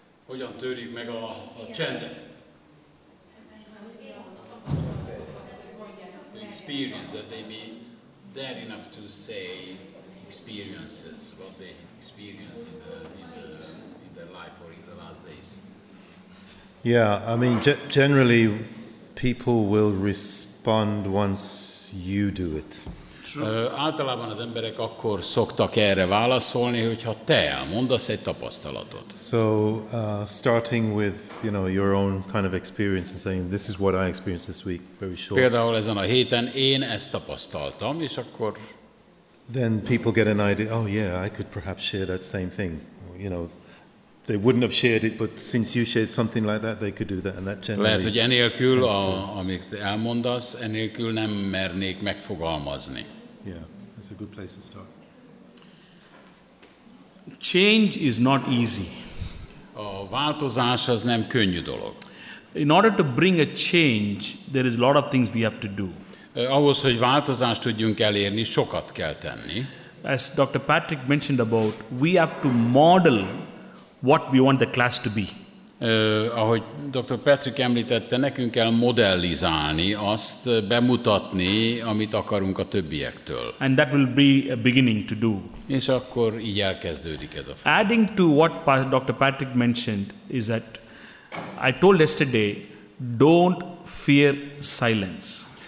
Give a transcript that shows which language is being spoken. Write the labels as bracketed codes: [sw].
[hu] Hogyan törjük meg a csendet? [en] The experience that they may dare enough to say experiences what they experience in their life or in the last days. Yeah, I mean generally people will respond once you do it. [hu] Általában az emberek akkor szoktak erre válaszolni, hogyha te elmondasz egy tapasztalatot. [en] So, starting with, you know, your own kind of experience and saying this is what I experienced this week, very short. [hu] Például ezen a héten én ezt tapasztaltam, és akkor [en] then people get an idea, oh yeah, I could perhaps share that same thing. You know, they wouldn't have shared it, but since you shared something like that, they could do that, and that generally. [hu] Lehet, hogy enélkül, amit elmondasz, enélkül nem mernék megfogalmazni. [en] Yeah, that's a good place to start. Change is not easy. [hu] A változás az nem könnyű dolog. [en] In order to bring a change, there is a lot of things we have to do. [hu] Ahhoz, hogy változást tudjunk elérni, sokat kell tenni. [en] As Dr. Patrick mentioned about, we have to model what we want the class to be. [hu] Ahogy Dr. Patrick említette, nekünk kell modellizálni azt, bemutatni, amit akarunk a többiektől. [en] And that will be a beginning to do. [hu] És akkor így elkezdődik ez a folyamat. [en] Adding to what Dr. Patrick mentioned is that I told yesterday, don't fear silence.